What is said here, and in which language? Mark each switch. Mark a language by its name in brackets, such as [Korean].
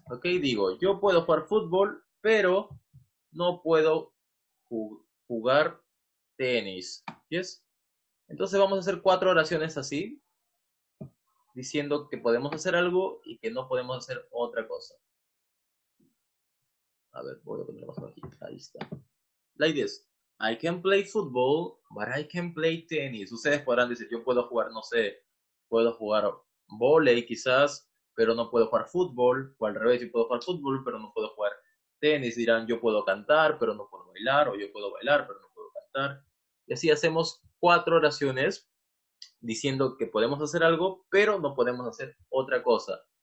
[Spanish] Ok, digo, yo puedo jugar fútbol, pero no puedo jugar tenis. ¿Yes? Entonces vamos a hacer cuatro oraciones así, diciendo que podemos hacer algo y que no podemos hacer otra cosa. A ver, voy a poner más bajito. Ahí está. [English] Like this. I can play football, but I can play tennis. [Spanish] Ustedes podrán decir, yo puedo jugar, no sé, puedo jugar volei quizás, pero no puedo jugar fútbol. O al revés, yo puedo jugar fútbol, pero no puedo jugar tenis. Dirán, yo puedo cantar, pero no puedo bailar. O yo puedo bailar, pero no puedo cantar. Y así hacemos cuatro oraciones diciendo que podemos hacer algo, pero no podemos hacer otra cosa.